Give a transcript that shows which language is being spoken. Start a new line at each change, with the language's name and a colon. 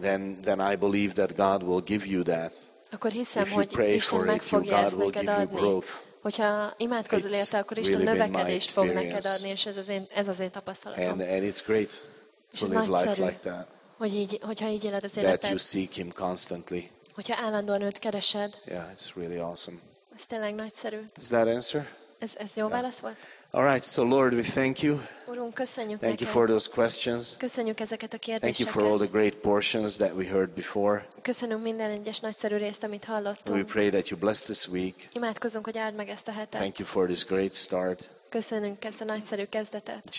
English: then I believe that God will give you that.
Hungarian: Akkor hiszem, hogy Isten meg fogja ezt neked adni. Hogyha imádkozol érte, akkor Isten
English: really
Hungarian: növekedést fog neked adni, és ez az én tapasztalatom.
English: And it's great to live life like that.
Hungarian: Hogyha így éled az életed.
English: That you seek him constantly.
Hungarian: Hogyha állandóan őt keresed.
English: Yeah, it's really awesome.
Hungarian: Ez tényleg nagyszerű.
English: Does that answer?
Hungarian: Ez jó válasz volt?
English: All right, so Lord, we thank you.
Hungarian: Urunk, köszönjük
English: Thank
Hungarian: neked.
English: You for those questions.
Hungarian: Köszönjük ezeket a kérdéseket.
English: Thank you for all the great portions that we heard before.
Hungarian: Köszönünk minden egyes nagyszerű részt, amit hallottunk.
English: We pray that you bless this week.
Hungarian: Imádkozunk, hogy áld meg ezt a hetet.
English: Thank you for this great start.
Hungarian: Köszönünk ezt a nagyszerű kezdetet.